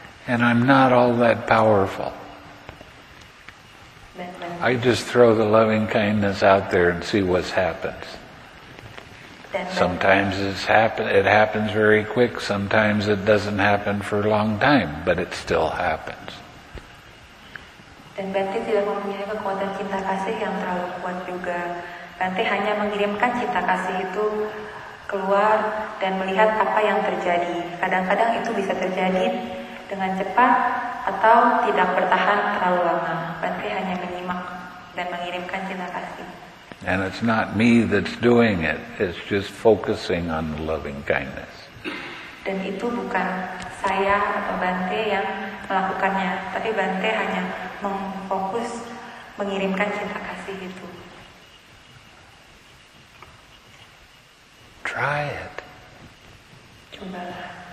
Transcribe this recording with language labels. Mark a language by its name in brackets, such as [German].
[English] And I'm not all that powerful. I just throw the loving kindness out there and see what happens. Sometimes it happens very quick. Sometimes it doesn't happen for a long time, but it still happens. [Indonesian] Dan Bante tidak mempunyai kekuatan cinta kasih yang terlalu kuat juga. Bante hanya mengirimkan cinta kasih itu keluar dan melihat apa yang terjadi. Kadang-kadang itu bisa terjadi dengan cepat atau tidak bertahan terlalu lama. Bante hanya menyimak dan mengirimkan cinta kasih. [English] And it's not me that's doing it. It's just focusing on the loving kindness. [Indonesian] Dan itu bukan saya atau Bante yang melakukannya, tapi Bante hanya memfokus mengirimkan cinta kasih itu. [English] Try it. [Indonesian] Cobalah.